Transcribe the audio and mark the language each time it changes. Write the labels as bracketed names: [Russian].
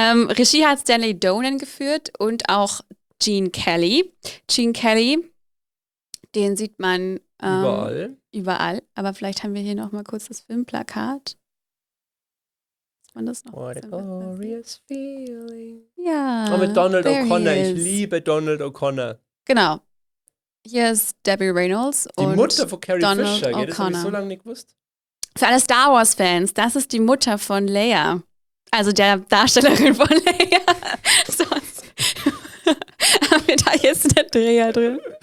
[German] Regie hat Stanley Donen geführt und auch Gene Kelly. Gene Kelly, den sieht man überall. Aber vielleicht haben wir hier noch mal kurz das Filmplakat. Das noch [English] What a glorious feeling. [German] Ja. Oh, mit Donald O'Connor. Ich liebe Donald O'Connor. Genau. Hier ist Debbie Reynolds und die Mutter von Carrie Donald Fisher. O'Connor. Ja, das habe ich so lange nicht gewusst. Für alle Star Wars Fans, das ist die Mutter von Leia. Also der Darstellerin von Leia. Sonst haben wir da jetzt eine Dreher drin.